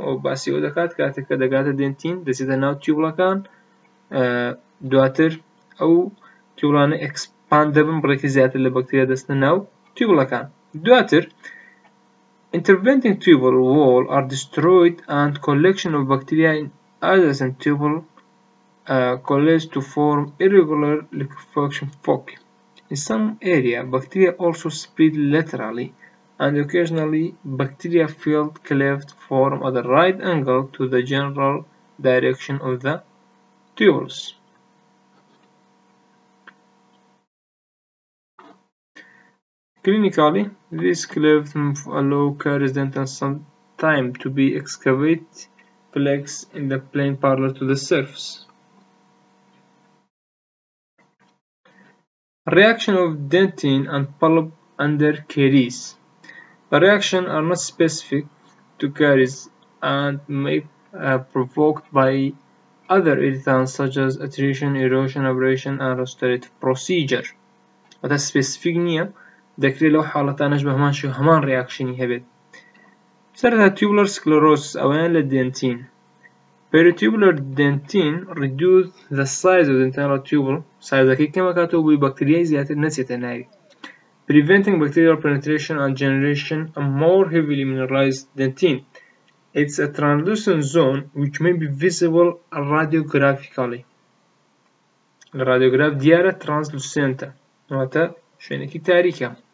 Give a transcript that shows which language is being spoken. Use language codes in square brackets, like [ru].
[ckb] ئەو باسی ئەو دەکات کاتێککە دەگاتە دێنتین دەچێتە ناو تیوبڵەکان، دواتر ئەو تیوبڵانە ئێکسپان دەبن، بڕێکی زیاتر لە بەکتریا دەچنە ناو تیوبڵەکان. [en] دواتر intervening tubule wall are destroyed and collection of bacteria in adjacent tubule coalesce to form irregular liquefaction foci. In some area, bacteria also spread laterally, and occasionally bacteria field cleft form at the right angle to the general direction of the tubules. Clinically, this cleft allows caries dental some time to be excavated, plaques in the plane parallel to the surface. Reaction of dentin and polyp under caries. The reaction are not specific to caries and may be provoked by other irritants such as attrition, erosion, abrasion, and restorative procedure. But that's specific [ckb] نیە. دەکرێت لەو حاڵەتانەش بە هەمان شێوە هەمان ریاکشنی هەبێت. سەرەتا تیوبولەر سکلۆرۆسیس ئەوەیان لە دێنتین. [en] Peritubular dentin reduces the size of the internal tubule, [ckb] سایزەکەی کەمەکاتەوە بۆی بەکتریای زیاتر نەچێتە ناوی، [en] preventing bacterial penetration and generation a more heavily mineralized dentin. It's a translucent zone which may be visible radiographically. [ckb] رادیۆگراف دیارە ترانسلوسنتە، واتە شوێنێکی تاریکە.